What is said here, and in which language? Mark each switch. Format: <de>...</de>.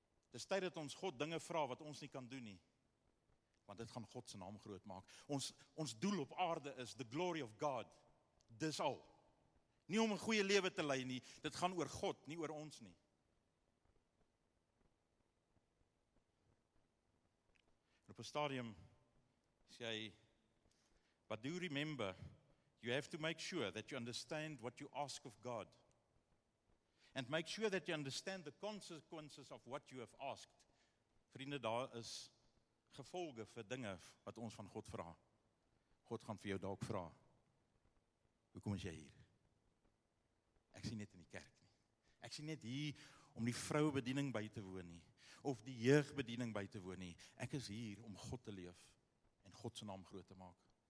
<af>Dis tyd dat ons God dinge vra wat ons nie kan doen nie, want dit gaan God se naam groot maak. Ons doel op aarde is</af> <en>the glory of God,</en> <af>dis al. Nie om 'n goeie lewe te lei nie, dit gaan oor God, nie oor ons nie. En op 'n stadium sê hy,</af> <en>but do remember, you have to make sure that you understand what you ask of God. And make sure that you understand the consequences of what you have asked.</en> <af>Vriende, daar is gevolge vir dinge wat ons van God vra. God gaan vir jou dalk vra, hoekom is jy hier? Ek sien net in die kerk nie. Ek sien net hier om die vrouebediening by te woon nie, of die jeugbediening by te woon nie. Ek is hier om God te leef en God se naam groot te maak.</af>